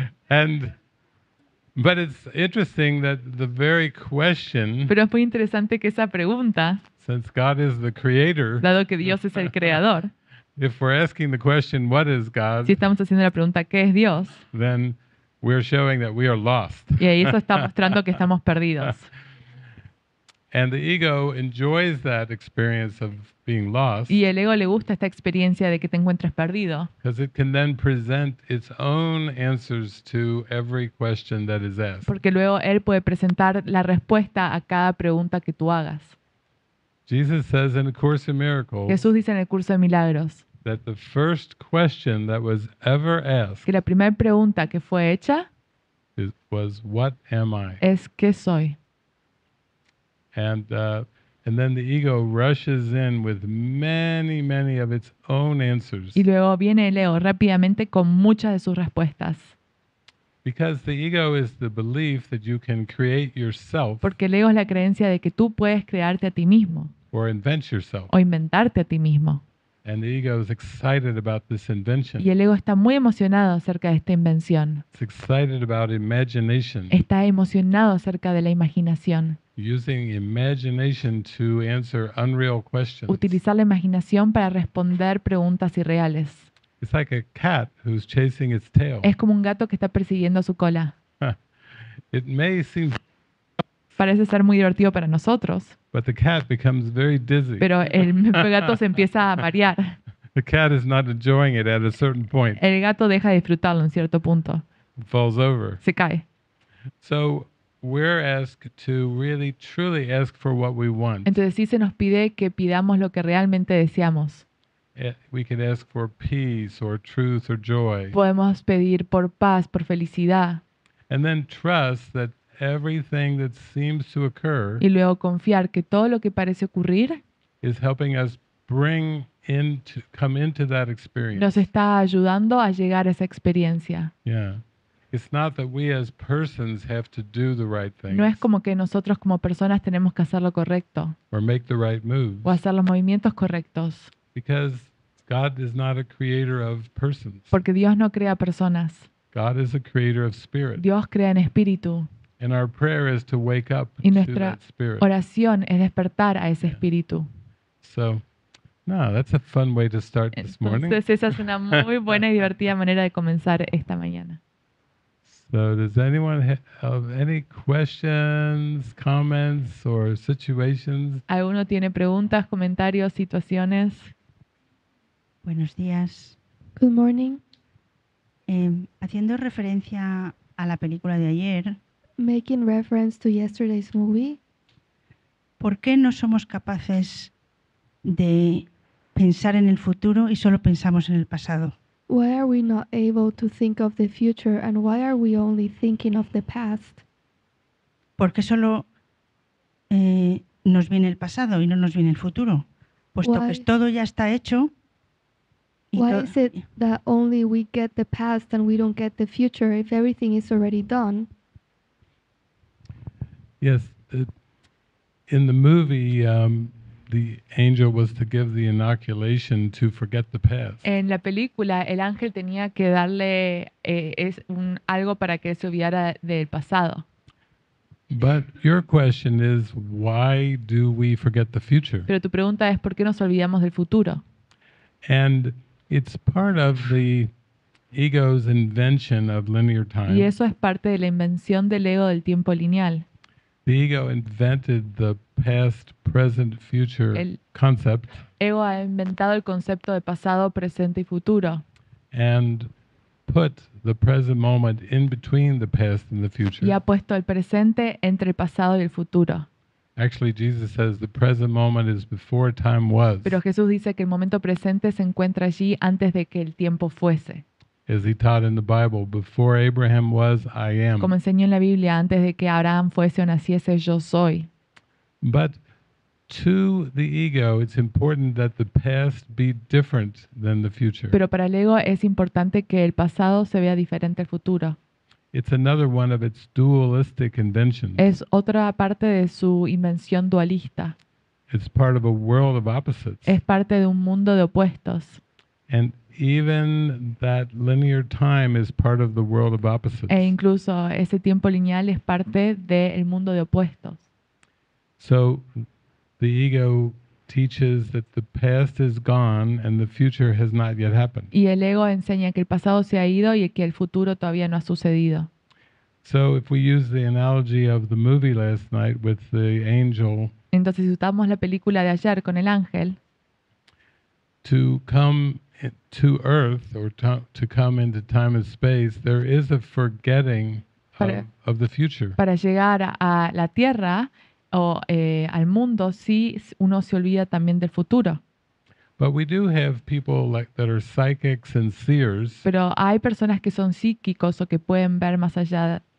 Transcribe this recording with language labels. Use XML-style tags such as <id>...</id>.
<en>And but it's interesting that the very question.</en> <es>Pero es muy interesante que esa pregunta.</es> <en>Since God is the creator.</en> <es>Dado que Dios es el creador.</es> <en>If we're asking the question, what is God?</en> <es>Si estamos haciendo la pregunta, ¿qué es Dios?</es> <en>Then we're showing that we are lost.</en> <es>Y ahí eso está mostrando que estamos perdidos.</es> <en>And the ego enjoys that experience of being lost.</en> <es>Y el ego le gusta esta experiencia de que te encuentres perdido.</es> <en>Because it can then present its own answers to every question that is asked.</en> <es>Porque luego él puede presentar la respuesta a cada pregunta que tú hagas.</es> <en>Jesus says in A Course in Miracles.</en> <es>Jesús dice en el curso de milagros.</es> <en>That the first question that was ever asked.</en> <es>Que la primera pregunta que fue hecha.</es> <en>Was what am I?</en> <es>Es qué soy.</es> <en>And then the ego rushes in with many, many of its own answers.</en> <es>Y luego viene el ego rápidamente con muchas de sus respuestas.</es> <en>Because the ego is the belief that you can create yourself.</en> <es>Porque el ego es la creencia de que tú puedes crearte a ti mismo.</es> <en>Or invent yourself.</en> <es>O inventarte a ti mismo.</es> <en>And the ego is excited about this invention.</en> <es>Y el ego está muy emocionado acerca de esta invención.</es> <en>It's excited about imagination.</en> <es>Está emocionado acerca de la imaginación.</es> <en>Using imagination to answer unreal questions.</en> <es>Utilizar la imaginación para responder preguntas irreales.</es> <en>It's like a cat who's chasing its tail.</en> <es>Es como un gato que está persiguiendo su cola.</es> <en>It may seem.</en> <es>Parece ser muy divertido para nosotros.</es> <en>But the cat becomes very dizzy.</en> <es>Pero el gato se empieza a marear.</es> <en>The cat is not enjoying it at a certain point.</en> <es>El gato deja de disfrutarlo en cierto punto.</es> <en>It falls over.</en> <es>Se cae.</es> <en>So we're asked to really, truly ask for what we want.</en> <es>Entonces sí se nos pide que pidamos lo que realmente deseamos.</es> <en>We can ask for peace or truth or joy.</en> <es>Podemos pedir por paz, por felicidad.</es> <en>And then trust that everything that seems to occur.</en> <es>Y luego confiar que todo lo que parece ocurrir</es> <en>is helping us bring into come into that experience.</en> <es>Nos está ayudando a llegar a esa experiencia. Yeah.</es> <en>It's not that we as persons have to do the right things.</en> <es>No es como que nosotros como personas tenemos que hacer lo correcto.</es> <en>Or make the right moves.</en> <es>O hacer los movimientos correctos.</es> <en>Because God is not a creator of persons.</en> <es>Porque Dios no crea personas.</es> <en>God is a creator of spirit.</en> <es>Dios crea en espíritu.</es> <en>And our prayer is to wake up</en> <es>y nuestra</es> <en>to that spirit.</en> <es>Oración es despertar a ese espíritu.</es> <en>So, no, that's a fun way to start</en> <es>entonces,</es> <en>this morning.</en> <es>Entonces esa es una muy buena y divertida manera de comenzar esta mañana.</es> <en>So, does anyone have any questions, comments, or situations?</en> <es>¿Alguno tiene preguntas, comentarios, situaciones? Buenos días.</es> <en>Good morning.</en> <es>Haciendo referencia a la película de ayer.</es> <en>Making reference to yesterday's movie.</en> <es>¿Por qué no somos capaces de pensar en el futuro y solo pensamos en el pasado?</es> <en>Why are we not able to think of the future and why are we only thinking of the past?</en> <es>¿Por qué solo nos viene el pasado y no nos viene el futuro? Puesto que todo ya está hecho.</es> <en>Why is it that only we get the past and we don't get the future if everything is already done? Yes, in the movie, the angel was to give the inoculation to forget the past.</en> <es>En la película, el ángel tenía que darle algo para que se olvidara del pasado.</es> <en>But your question is, why do we forget the future?</en> <es>Pero tu pregunta es, ¿por qué nos olvidamos del futuro?</es> <en>And it's part of the ego's invention of linear time.</en> <es>Y eso es parte de la invención del ego del tiempo lineal.</es> <en>The ego invented the past, present, future concept.</en> <es>Ego ha inventado el concepto de pasado, presente y futuro.</es> <en>And put the present moment in between the past and the future.</en> <es>Y ha puesto el presente entre el pasado y el futuro.</es> <en>Actually, Jesus says the present moment is before time was.</en> <es>Pero Jesús dice que el momento presente se encuentra allí antes de que el tiempo fuese.</es> <en>As he taught in the Bible, before Abraham was, I am.</en> <es>Como enseñó en la Biblia, antes de que Abraham fuese o naciese, yo soy.</es> <en>But to the ego, it's important that the past be different than the future.</en> <es>Pero para el ego es importante que el pasado se vea diferente al futuro.</es> <en>It's another one of its dualistic inventions.</en> <es>Es otra parte de su invención dualista.</es> <en>It's part of a world of opposites.</en> <es>Es parte de un mundo de opuestos.</es> <en>And even that linear time is part of the world of opposites.</en> <es>E incluso ese tiempo lineal es parte del mundo de opuestos.</es> <en>So the ego teaches that the past is gone and the future has not yet happened.</en> <es>Y el ego enseña que el pasado se ha ido y que el futuro todavía no ha sucedido.</es> <en>So if we use the analogy of the movie last night with the angel.</en> <es>Entonces si usamos la película de ayer con el ángel.</es> <en>To come to earth or to come into time and space, there is a forgetting of the future.</en> <es>Para llegar a la Tierra o al mundo, sí, uno se olvida también del futuro.</es> <en>But we do have people like that are psychics and seers.</en> <es>Pero hay personas que son psíquicos o que pueden ver más allá.</es>